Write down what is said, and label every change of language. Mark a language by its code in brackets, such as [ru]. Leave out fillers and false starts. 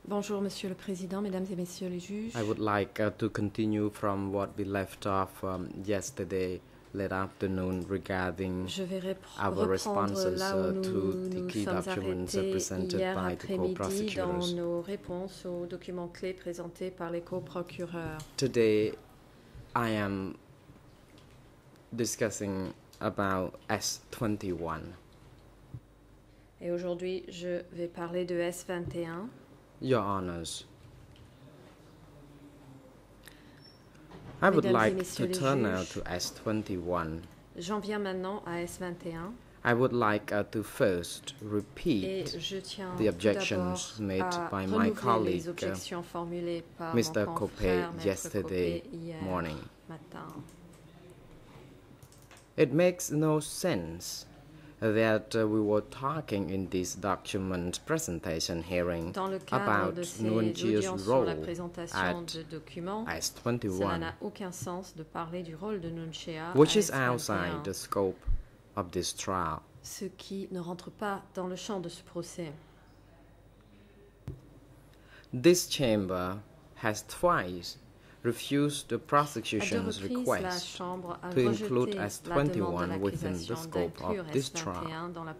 [fr] Bonjour, Monsieur le Président, Mesdames et Messieurs les juges. [en] I would like to continue from what we left off yesterday late afternoon regarding our responses to the key documents presented by the co-prosecutors. [fr] Dans nos réponses aux documents clés présentés par les co-procureurs. [en] Today, I am discussing about S21. [fr] Et aujourd'hui, je vais parler de S21. [en] Your Honours, I would like to turn now to S21. [fr] J'en viens maintenant à S21. [en] I would like to first repeat the objections made by my colleague, Mr. Copé, yesterday morning. [fr] Matin. [en] It makes no sense that we were talking in this document presentation hearing about Nuntia's role at S21, which is outside the scope of this trial. [fr] Ce qui ne rentre pas dans le champ de ce procès. [en] This chamber has twice refused the prosecution's request to include S21 within the scope of this trial.